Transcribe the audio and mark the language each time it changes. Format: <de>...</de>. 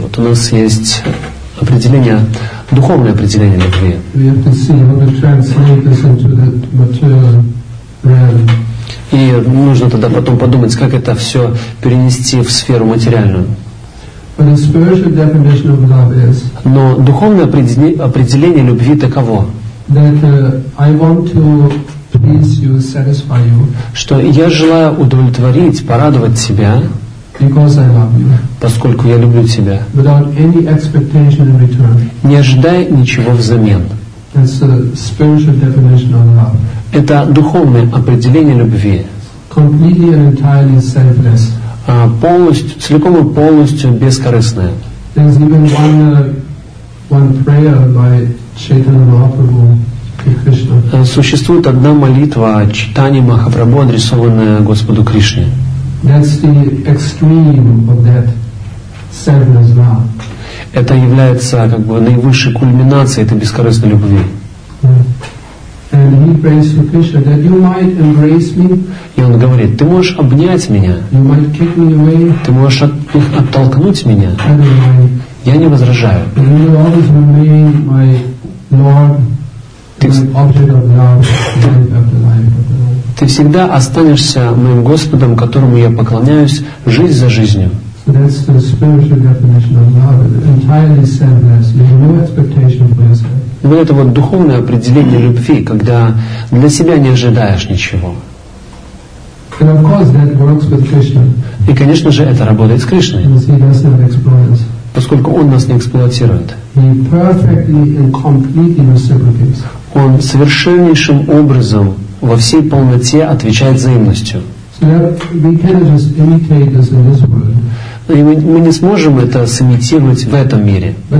<ru>Вот у нас есть определение, духовное определение любви.</ru> <en>We have to see how to translate this into the material realm.</en> <ru>И нужно тогда потом подумать, как это все перенести в сферу материальную.</ru> <en>But the spiritual definition of love is,</en> <ru>но духовное определение любви таково,</ru> <en>that, I want to please you, satisfy you,</en> <ru>что я желаю удовлетворить, порадовать тебя,</ru> <en>because I love you,</en> <ru>поскольку я люблю тебя,</ru> <en>without any expectation in return.</en> <ru>Не ожидая ничего взамен.</ru> <en>That's the spiritual definition of love.</en> <ru>Это духовное определение любви.</ru> <en>Completely and entirely selfless.</en> <ru>Полностью, целиком и полностью бескорыстное.</ru> <en>There's even one prayer by Chaitanya Mahaprabhu to Krishna.</en> <ru>Существует одна молитва Чайтаньи Махапрабху, адресованная Господу Кришне.</ru> <en>That's the extreme of that selfless love.</en> <ru>Это является как бы наивысшей кульминацией этой бескорыстной любви.</ru> <en>And he prays to Krishna that you might embrace me.</en> <ru>И он говорит, ты можешь обнять меня.</ru> <en>You might kick me away.</en> <ru>Ты можешь оттолкнуть меня.</ru> <en>I don't mind.</en> <ru>Я не возражаю.</ru> <en>And you always remain my Lord, my object of love, life after life.</en> <ru>Ты всегда останешься моим Господом, которому я поклоняюсь жизнь за жизнью.</ru> <en>So that's the spiritual definition of love. Entirely selfless. You have no expectation for yourself.</en> <ru>Вот это вот духовное определение любви, когда для себя не ожидаешь ничего.</ru> <en>And of course that works with Krishna.</en> <ru>И, конечно же, это работает с Кришной,</ru> <en>because he does not exploit.</en> <ru>Поскольку Он нас не эксплуатирует.</ru> <en>He perfectly and completely reciprocates.</en> <ru>Он совершеннейшим образом во всей полноте отвечает взаимностью.</ru> <en>So that we cannot just imitate this in this world.</en> <ru>И мы не сможем это сымитировать в этом мире.</ru>